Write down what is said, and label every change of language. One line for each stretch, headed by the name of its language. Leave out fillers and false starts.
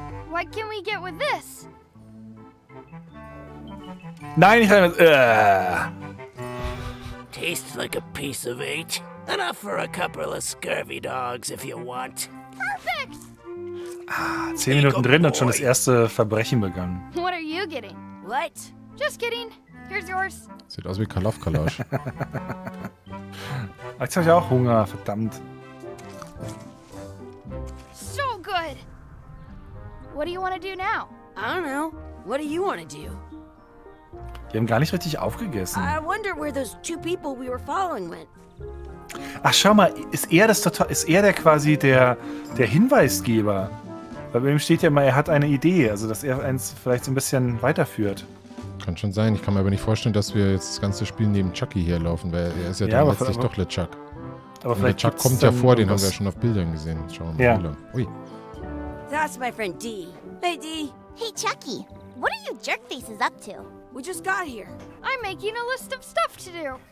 English: What can we get with this?
German: Nein, ich habe
English: Tastes like a piece of eight. Enough for a couple of scurvy dogs if you want. Perfect!
German: Ah, 10 Minuten drin und schon das erste Verbrechen begangen.
English: What are you getting? What? Just kidding. Here's yours.
German: Sieht aus wie Kalaufkalasch. Jetzt habe ich auch Hunger, verdammt.
English: So good! What do you want to do now? I don't know. What do you want to do?
German: Wir haben gar nicht richtig aufgegessen.
English: I wonder where those two people we were following went.
German: Ach, schau mal, ist er der Hinweisgeber? Weil bei ihm steht ja immer, er hat eine Idee, also dass er eins vielleicht so ein bisschen weiterführt. Kann schon sein, ich kann mir aber nicht vorstellen, dass wir jetzt das ganze Spiel neben Chucky herlaufen, weil er ist ja, dann letztlich doch LeChuck. Aber vielleicht LeChuck kommt ja vor, den haben wir ja schon auf Bildern gesehen. Schauen wir mal. Ui.
English: That's my friend Dee. Hey Dee. Hey Chucky, what are you jerk faces up to? We just got here. I'm making a list of stuff to do.